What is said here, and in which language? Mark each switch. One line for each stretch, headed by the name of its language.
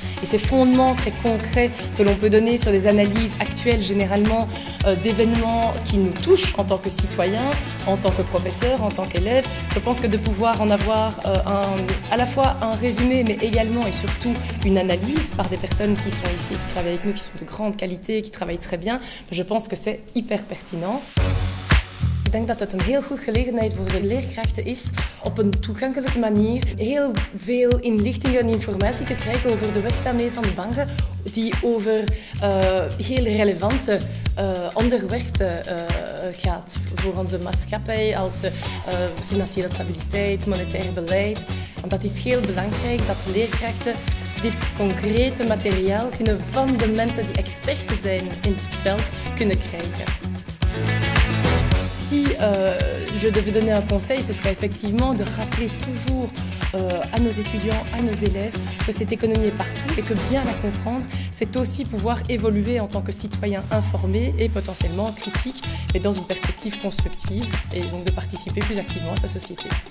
French: Et ces fondements très concrets que l'on peut donner sur des analyses actuelles généralement d'événements qui nous touchent en tant que citoyens, en tant que professeurs, en tant qu'élèves, je pense que de pouvoir en avoir à la fois un résumé mais également et surtout une analyse par des personnes qui sont ici, qui travaillent avec nous, qui sont de grande qualité, qui travaillent très bien, je pense que c'est hyper pertinent.
Dutch: Ik denk dat het een heel goede gelegenheid voor de leerkrachten is op een toegankelijke manier heel veel inlichting en informatie te krijgen over de werkzaamheden van de banken die over heel relevante onderwerpen gaat voor onze maatschappij als financiële stabiliteit, monetair beleid. Want dat is heel belangrijk dat de leerkrachten dit concrete materiaal kunnen van de mensen die experten zijn in dit veld kunnen krijgen.
French: Si je devais donner un conseil, ce serait effectivement de rappeler toujours à nos étudiants, à nos élèves, que cette économie est partout et que bien la comprendre, c'est aussi pouvoir évoluer en tant que citoyen informé et potentiellement critique, mais dans une perspective constructive et donc de participer plus activement à sa société.